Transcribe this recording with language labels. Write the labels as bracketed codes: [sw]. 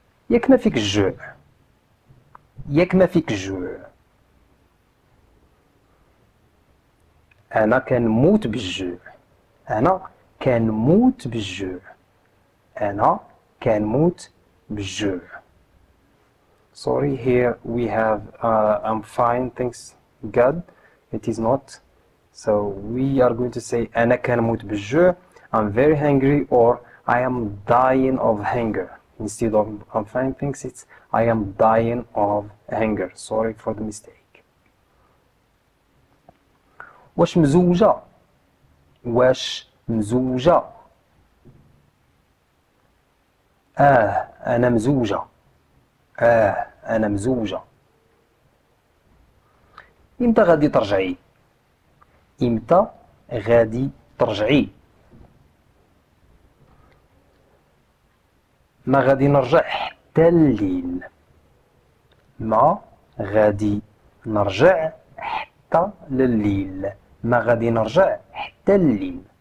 [ar] ياك ما فيك الجوع، ياك ما فيك الجوع. أنا كان موت بالجوع، أنا كان موت بالجوع، أنا كان موت بالجوع. [en] Sorry, here we have, I'm fine, thanks God, it is not. So we are going to say [ar] أنا كان موت بالجوع. [en] I'm very hungry, or I am dying of hunger. Instead of I'm fine, thanks, it's I am dying of hunger. Sorry for the mistake. [ar] واش مزوجة؟ واش مزوجة؟ آه أنا مزوجة، آه أنا مزوجة. إمتى غادي ترجعي؟ إمتى غادي ترجعي؟ ما غادي نرجع حتى الليل، ما غادي نرجع حتى الليل، ما غادي نرجع حتى الليل.